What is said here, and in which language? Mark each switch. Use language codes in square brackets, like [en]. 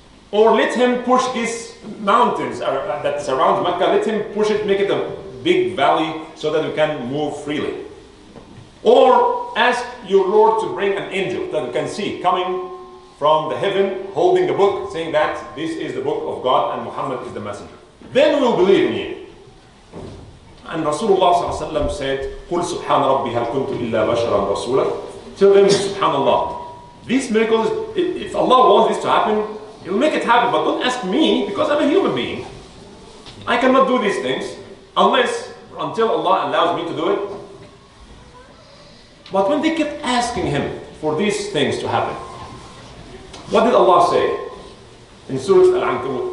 [en] Or let him push these mountains that surround Mecca, let him push it, make it a big valley so that you can move freely. Or ask your Lord to bring an angel that you can see coming from the heaven, holding a book, saying that this is the book of God and Muhammad is the messenger. Then we'll believe in you. And Rasulullah said, [ar] قُلْ سُبْحَانَ رَبِّي هَلْ كُنْتُ إِلَّا بَشَرًا رَسُولًا. [en] Tell them, Subhanallah. These miracles, if Allah wants this to happen, he'll make it happen, but don't ask me, because I'm a human being. I cannot do these things, unless, or until Allah allows me to do it. But when they kept asking him for these things to happen, what did Allah say in Surah Al-Ankabut?